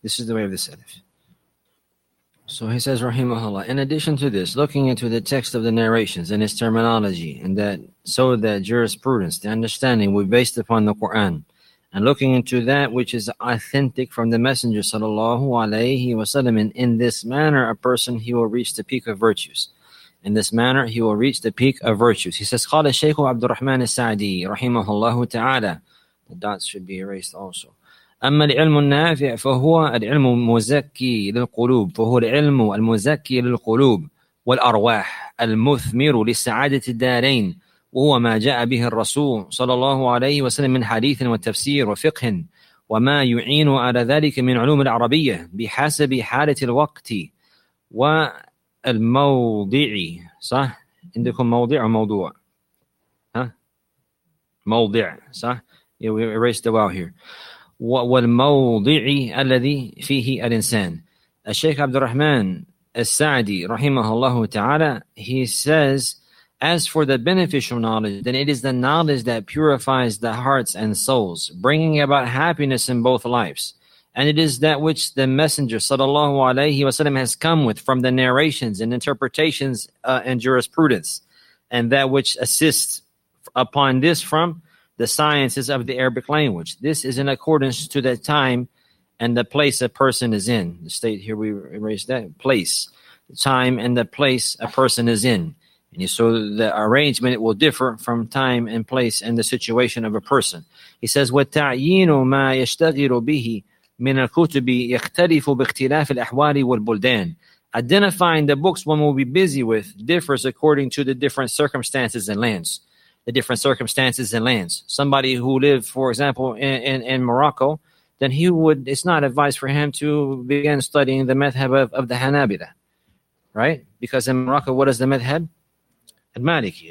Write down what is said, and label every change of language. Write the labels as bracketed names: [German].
[English] This is the way of the Salaf. So he says, rahimahullah, in addition to this, looking into the text of the narrations and its terminology, and that so that jurisprudence, the understanding, will be based upon the Quran, and looking into that which is authentic from the Messenger, sallallahu alayhi wa sallam, and in this manner, a person, he will reach the peak of virtues. In this manner, he will reach the peak of virtues. He says, [Arabic] قال الشيخ عبد الرحمن السعدي رحمه الله تعالى. [English] The dots should be erased also. [Arabic] أما العلم النافع فهو العلم المزكي للقلوب فهو العلم المزكي للقلوب والأرواح المثمر لسعادة الدارين وهو ما جاء به الرسول صلى الله عليه وسلم من حديث وتفسير وفقه وما يعين على ذلك من علوم العربية بحسب حالة الوقت و الموضعي صح عندكم موضع أو موضوع ها موضع صح [English] yeah, we erase the wow here [Arabic] والموضعي الذي فيه الإنسان. [English] الشيخ عبد الرحمن السعدي رحمه الله تعالى, he says, as for the beneficial knowledge, then it is the knowledge that purifies the hearts and souls, bringing about happiness in both lives. And it is that which the Messenger, sallallahu alayhi wa sallam, has come with from the narrations and interpretations and jurisprudence, and that which assists upon this from the sciences of the Arabic language. This is in accordance to the time and the place a person is in. The state here, we erase that, place, the time and the place a person is in. And so the arrangement, it will differ from time and place and the situation of a person. He says, [Arabic] وَتَعْيِينُ مَا يَشْتَغِلُ بِهِ من الكتب يختلف باختلاف الأحوال والبلدان. [English] Identifying the books one will be busy with differs according to the different circumstances and lands. The different circumstances and lands. Somebody who lived, for example, in Morocco, then he would, it's not advised for him to begin studying the madhab of the Hanabila. Right? Because in Morocco, what is the madhab? Al-Maliki.